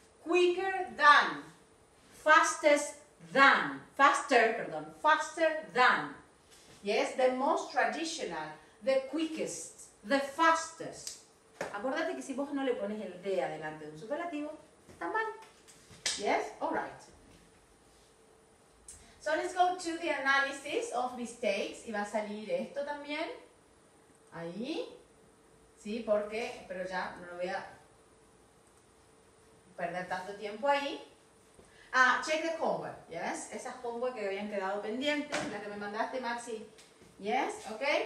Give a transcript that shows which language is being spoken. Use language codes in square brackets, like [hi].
[en] Quicker than. Fastest than. Faster, perdón. Faster than. Yes, the most traditional. The quickest. The fastest. [es] Acordate que si vos no le pones el de adelante de un superlativo, está mal. [en] Yes, all right. So let's go to the analysis of mistakes. [es] Y va a salir esto también. Ahí. Sí, porque, pero ya no lo voy a perder tanto tiempo ahí. Ah, [en] check the homework. [es] Yes, esas homework que habían quedado pendientes, la que me mandaste, Maxi. Yes, ok.